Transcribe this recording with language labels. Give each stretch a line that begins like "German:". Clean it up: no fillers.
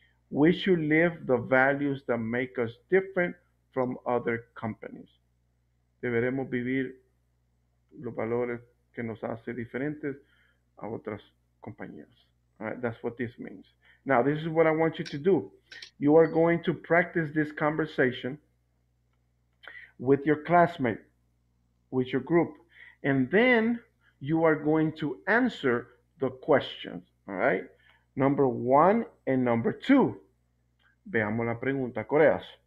English: We should live the values that make us different from other companies.
Spanish: Deberemos vivir los valores que nos hace diferentes a otras compañías.
English: All right, that's what this means. Now, this is what I want you to do. You are going to practice this conversation with your classmate, with your group, and then you are going to answer the questions. All right, number one and number two.
Spanish: Veamos la pregunta,
English: Coreas.